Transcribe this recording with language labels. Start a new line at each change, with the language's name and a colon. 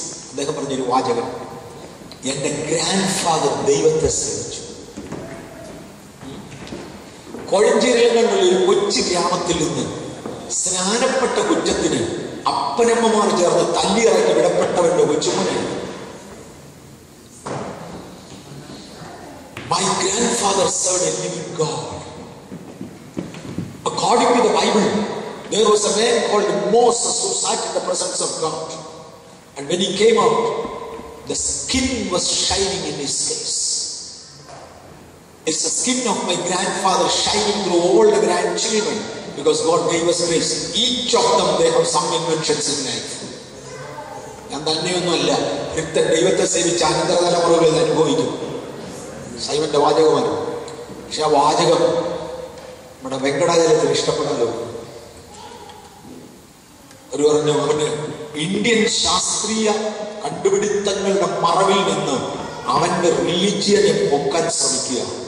Malayalam: അദ്ദേഹം പറഞ്ഞൊരു വാചകം, എന്റെ ഗ്രാൻഡ് ഫാദർ ദൈവത്തെ സേവിച്ചു. കോഴഞ്ചേരിലുള്ള ഒരു കൊച്ചു ഗ്രാമത്തിൽ നിന്ന് സ്നാനപ്പെട്ട കുറ്റത്തിന് അപ്പനമ്മമാർ ചേർന്ന് തല്ലിയിറക്കി വിടപ്പെട്ടവന്റെ കൊച്ചുമോനാണ്.
English: My grandfather served a living God. According to the Bible, there was a man called Moses who sat in the presence of God. And when he came out, the skin was shining in his face. It's the skin of my grandfather shining through all the grandchildren because God gave us grace. Each of them, they have some inventions in life.
Malayalam: ഞാൻ തന്നെയൊന്നുമല്ല, ഇത്ര ദൈവത്തെ സേവിച്ച അനന്തരതലമുറകൾ അനുഭവിക്കും. സൈമന്റെ വാചകമാണ്. പക്ഷെ ആ വാചകം നമ്മുടെ വെങ്കടാചലത്തിന് ഇഷ്ടപ്പെടാനോ? ഒരു പറഞ്ഞു, അവന് ഇന്ത്യൻ ശാസ്ത്രീയ കണ്ടുപിടുത്തങ്ങളുടെ മറവിൽ നിന്ന് അവന്റെ റിലീജിയനെ പൊക്കാൻ ശ്രമിക്കുക.